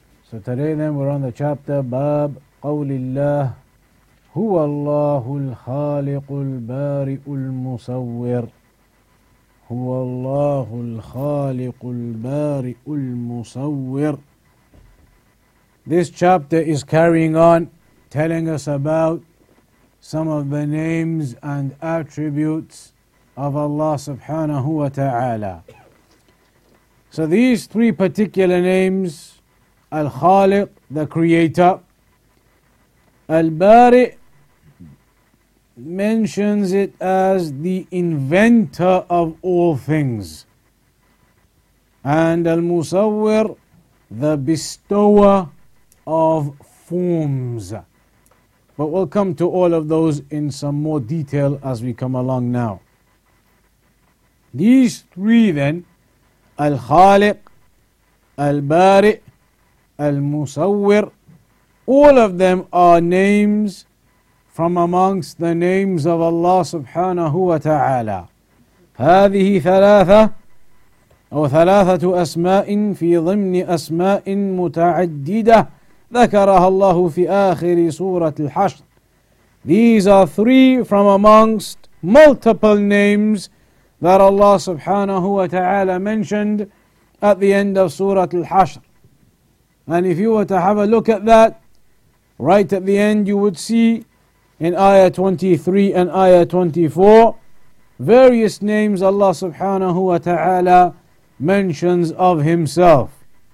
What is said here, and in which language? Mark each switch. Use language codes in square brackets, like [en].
[en] So today then we're on the chapter [ar] باب قول الله هو الله الخالق البارئ المصور [en] هو الله الخالق البارئ المصور. This chapter is carrying on telling us about some of the names and attributes of Allah subhanahu wa ta'ala. So these three particular names, Al-Khaliq, the creator, Al-Bari mentions it as the inventor of all things, and Al-Musawwir, the bestower of forms. But we'll come to all of those in some more detail as we come along now. These three then, Al-Khaliq, Al-Bari, Al-Musawwir, all of them are names from amongst the names of Allah subhanahu wa ta'ala. [ar] هذه ثلاثة أو ثلاثة أسماء في ضمن أسماء متعددة ذكرها الله في آخر سورة الحشر. [en] These are three from amongst multiple names that Allah subhanahu wa ta'ala mentioned at the end of Surah Al-Hashr. And if you were to have a look at that, right at the end you would see in Ayah 23 and Ayah 24, various names Allah subhanahu wa ta'ala mentions of himself.